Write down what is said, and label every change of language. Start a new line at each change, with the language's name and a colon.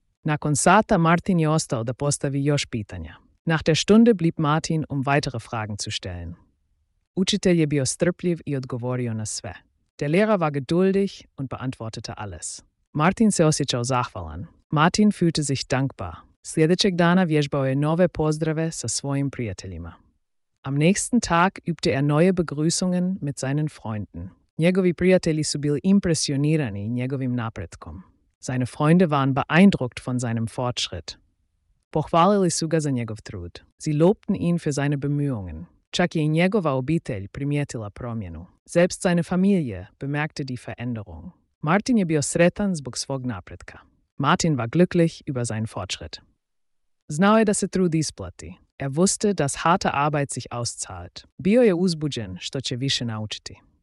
Croatian: Nakon sata Martin je ostao da postavi još pitanja.
German: Nach der Stunde blieb Martin, um weitere Fragen zu stellen.
Croatian: Učitelj je bio strpljiv i odgovorio na sve.
German: Der Lehrer war geduldig und beantwortete alles.
Croatian: Martin se osjećao zahvalan.
German: Martin fühlte sich dankbar.
Croatian: Sljedećeg dana vježbao je nove pozdrave sa svojim prijateljima.
German: Am nächsten Tag übte er neue Begrüßungen mit seinen Freunden.
Croatian: Njegovi prijatelji su bili impresionirani njegovim napretkom.
German: Seine Freunde waren beeindruckt von seinem Fortschritt.
Croatian: Pohvalili su ga za njegov trud.
German: Sie lobten ihn für seine Bemühungen.
Croatian: Čak je i njegova obitelj primijetila promjenu.
German: Selbst seine Familie bemerkte die Veränderung.
Croatian: Martin je bio sretan zbog svog napretka.
German: Martin war glücklich über seinen Fortschritt.
Croatian: Znao je da se trud isplati.
German: Er wusste, dass harte Arbeit sich auszahlt.
Croatian: Bio je uzbuđen što će više naučiti.